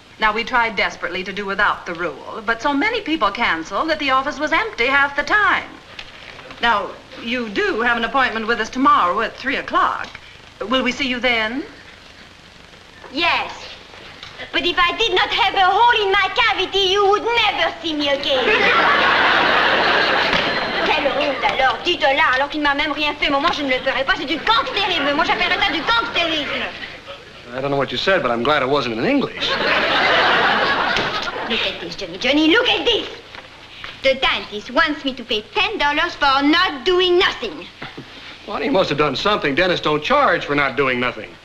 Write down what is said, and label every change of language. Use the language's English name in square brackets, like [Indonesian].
[English] Now, we tried desperately to do without the rule, but so many people canceled that the office was empty half the time. Now, you do have an appointment with us tomorrow at 3 o'clock. Will we see you then? Yes. But if I did not have a hole in my cavity, you would never see me again. [French] Quelle honte, alors, dites-la, alors qu'il ne m'a même rien fait. Moi, je ne le ferai pas, c'est du cancérisme. Moi, j'appellerais ça du cancérisme. [English] I don't know what you said, but I'm glad it wasn't in English. Look at this, Johnny. Johnny, look at this. The dentist wants me to pay $10 for not doing nothing. Well, he must have done something. Dentists don't charge for not doing nothing.